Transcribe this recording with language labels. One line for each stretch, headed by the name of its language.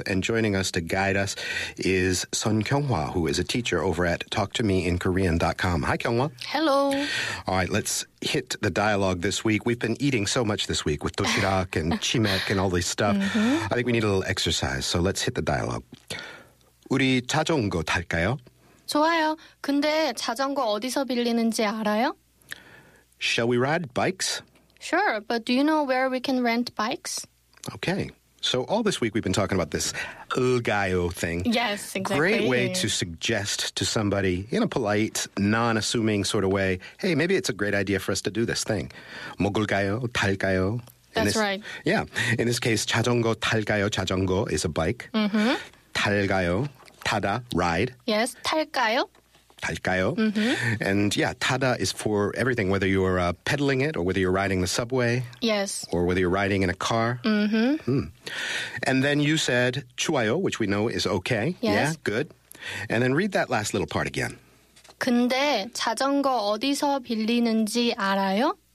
English: And joining us to guide us is Son Kyung-hwa, who is a teacher over at TalkToMeInKorean.com. Hi, Kyung-hwa. Hello. All right, let's hit the dialogue this week. We've been eating so much this week with doshirak and chimek and all this stuff. Mm-hmm. I think we need a little exercise, so let's hit the dialogue.
Korean: 우리 자전거 탈까요? 좋아요. 근데 자전거 어디서 빌리는지 알아요?
English: Shall we ride bikes? Sure, but do you know where we can rent bikes? Okay. So all this week we've been talking about this 을가요 thing. Yes, exactly. Great way to suggest to somebody in a polite, non-assuming sort of way, hey, maybe it's a great idea for us to do this thing.
Korean: 먹을까요? 탈까요?
English: That's this, right. Yeah. In this case,
Korean: 자전거 탈까요?
English: 자전거 is a bike. Mm-hmm.
Korean: 탈까요? 타다, ride. Yes, 탈까요? 탈까요? Mm-hmm.
English: And yeah, 타다 is for everything, whether you're pedaling it or whether you're riding the subway. Yes. Or whether you're riding in a car. Mm-hmm. And then you said 좋아요, which we know is okay. Yes. Yeah, good. And then read that last little part again.
Korean: 근데 자전거 어디서 빌리는지 알아요?